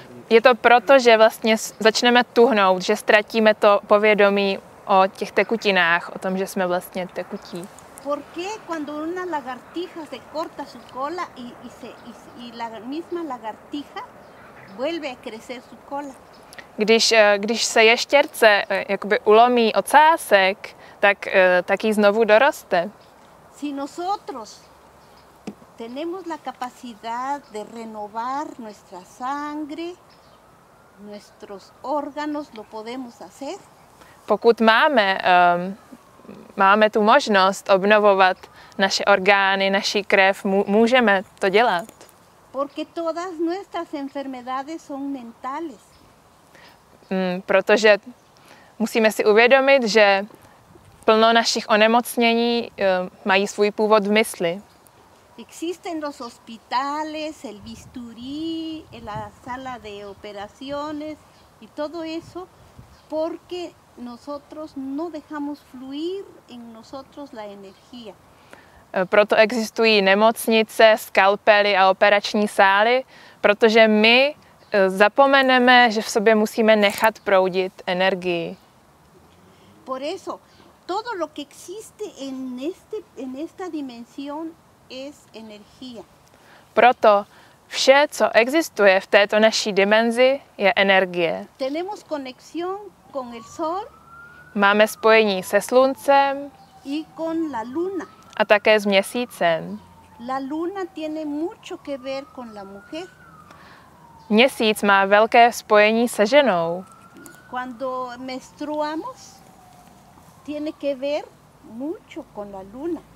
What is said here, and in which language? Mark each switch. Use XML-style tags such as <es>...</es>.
<cs>Je to proto, že vlastně začneme tuhnout, že ztratíme to povědomí o těch tekutinách, o tom, že jsme vlastně tekutí.</cs> <es>¿Por qué cuando una lagartija se corta su cola y la misma lagartija vuelve a crecer su cola?</es> <cs>Když se ještěrce jakoby ulomí ocásek, tak jí znovu doroste.</cs> <es>Si nosotros tenemos la capacidad de renovar nuestra sangre, nuestros órganos, lo podemos hacer.</es> <cs>Pokud máme máme tu možnost obnovovat naše orgány, naši krev, můžeme to dělat.</cs> <es>Porque todas nuestras enfermedades son mentales.</es> <cs>Protože musíme si uvědomit, že plno našich onemocnění mají svůj původ v mysli.</cs> <es>Existen los hospitales, el bisturí, la sala de operaciones y todo eso porque nosotros no dejamos fluir en nosotros la energía.</es> <cs>Proto existují nemocnice, skalpely a operační sály, protože my zapomeneme, že v sobě musíme nechat proudit energii.</cs> <es>Por eso, todo lo que existe en esta dimensión es energía.</es> <cs>Proto vše, co existuje v této naší dimenzi, je energie.</cs> <es>Tenemos conexión con el sol.</es> <cs>Máme spojení se sluncem</cs> <es>y con la luna.</es> <cs>A také s měsícem.</cs> <es>La luna tiene mucho que ver con la mujer.</es> <cs>Měsíc má velké spojení se ženou.</cs> <es>Cuando menstruamos tiene que ver mucho con la luna.</es>